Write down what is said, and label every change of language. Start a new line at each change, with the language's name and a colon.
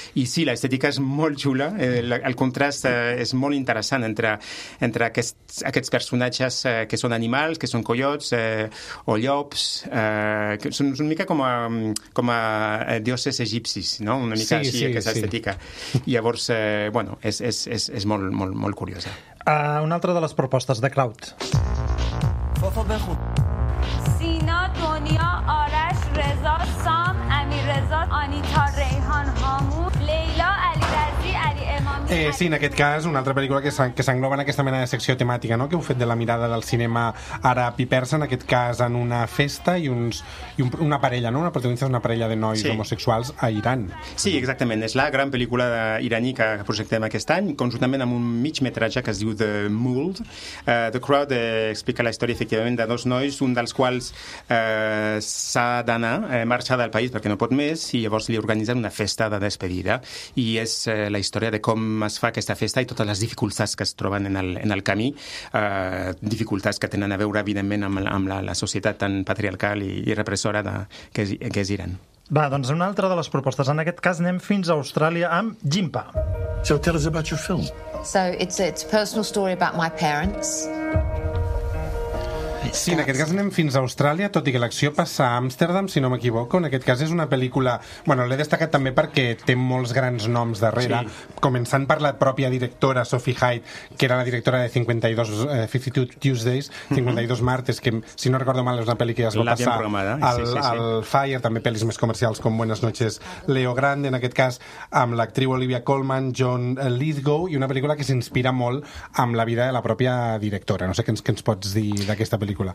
Catalan: I sí, l'estètica és molt xula, el contrast és molt interessant entre aquests personatges que són animals, que són coiots o llops, que són una mica com a dioses egipcis, no? Una mica sí, així, sí. Aquesta estètica. Sí. Llavors, és molt, molt, molt curiosa. Una altra de les propostes de Kraut.
Persian: سینا دنیا آرش رضا سام امیر رضا آنیتا ریحان هامون لیلا علیرضی علی امامی
Catalan: سی. En aquest cas, una altra pel·lícula que s'engloba en aquesta mena de secció temàtica, no? Que heu fet de la mirada del cinema àrab i persa, en aquest cas en una festa i una parella, no? Una protagonista és una parella de nois homosexuals a Iran. Sí, exactament. És la gran pel·lícula iraní que projectem aquest any, conjuntament amb un mig metratge que es diu The Mould. The Crowd explica la història, efectivament, de dos nois, un dels quals s'ha d'anar, marxar del país perquè no pot més, i llavors li organitzen una festa de despedida. I és la història de com es fa aquesta festa i totes les dificultats que es troben en el camí, dificultats que tenen a veure, evidentment, amb la societat tan patriarcal i repressora que és Iran. Va, doncs una altra de les propostes. En aquest cas anem fins a Austràlia amb Jimpa.
English: So tell us about your film. So it's a personal story about my parents.
Catalan: Sí, en aquest cas anem fins a Austràlia, tot i que l'acció passa a Amsterdam, si no m'equivoco. En aquest cas és una pel·lícula... Bueno, l'he destacat també perquè té molts grans noms darrere, començant per la pròpia directora Sophie Hyde, que era la directora de 52 Martes, que, si no recordo mal, és una pel·lícula que es va passar al Fire, també pel·lis més comercials com Buenas Noches, Leo Grande, en aquest cas amb l'actriu Olivia Colman, John Lithgow, i una pel·lícula que s'inspira molt amb la vida de la pròpia directora. No sé què ens pots dir d'aquesta pel·lícula.